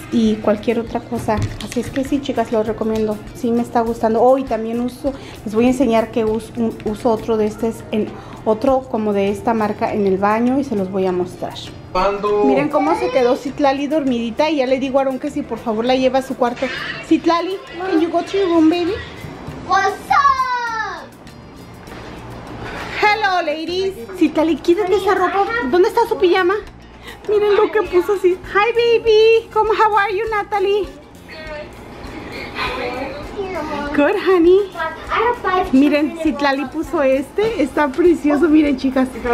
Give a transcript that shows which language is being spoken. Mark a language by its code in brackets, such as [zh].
[es] y cualquier otra cosa. Así es que sí, chicas, lo recomiendo. Sí, me está gustando. Oh, y también uso, les voy a enseñar que uso otro de estos, en otro como de esta marca en el baño, y se los voy a mostrar. ¿Cuándo? Miren cómo se quedó Citlali dormidita, y ya le digo a Aarón que si por favor la lleva a su cuarto. [en] Citlali, can you go to your room, baby? What's up? Hello, ladies. [es] Citlali, quítate esa ropa. ¿Dónde está su pijama? Miren lo que puso así. [en] Hi, baby. [es] ¿Cómo, [en] how are you, Natalie? Good, honey. [es] Miren, Citlali puso este. Está precioso. Miren, chicas.